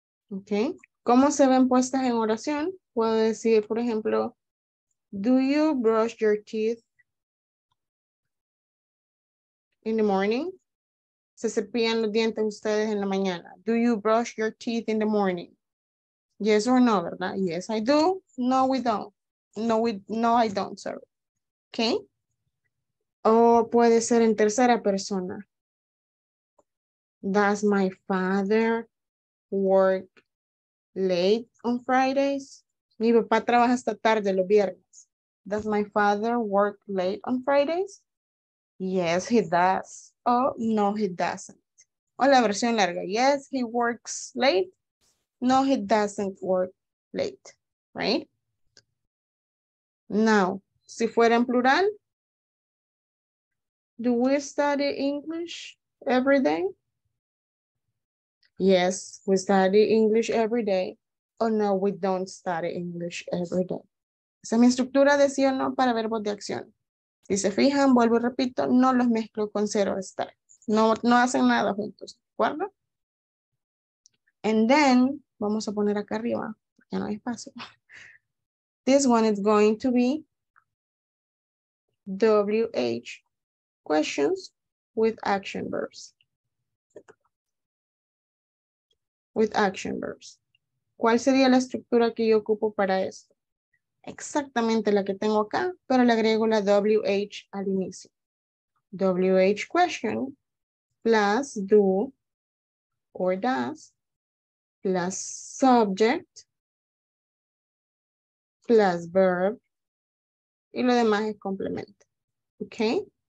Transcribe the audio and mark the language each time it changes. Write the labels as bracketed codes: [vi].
[es] Okay? ¿Cómo se ven puestas en oración? Puedo decir, por ejemplo, [en] do you brush your teeth in the morning? [es] ¿Se cepillan los dientes ustedes en la mañana? [en] Do you brush your teeth in the morning? Yes or no, ¿verdad? Yes, I do. No, we don't. No, I don't, sorry. Okay? [es] O puede ser en tercera persona. [en] Does my father work late on Fridays? [es] Mi papá trabaja hasta tarde los viernes. [en] Does my father work late on Fridays? Yes, he does. Oh, no, he doesn't. [es] O la versión larga. [en] Yes, he works late. No, he doesn't work late. Right? Now, [es] si fuera en plural, [en] do we study English every day? Yes, we study English every day. Oh, no, we don't study English every day. [es] Esa es mi estructura de sí o no para verbos de acción. Si se fijan, vuelvo y repito, no los mezclo con cero estar. No hacen nada juntos, ¿de acuerdo? [en] And then, [es] vamos a poner acá arriba, ya no hay espacio. [en] This one is going to be WH questions with action verbs. With action verbs. [es] ¿Cuál sería la estructura que yo ocupo para esto? Exactamente la que tengo acá, pero le agrego la WH al inicio. [en] WH question plus do or does plus subject plus verb [es] y lo demás es complemento. [en] ¿Ok?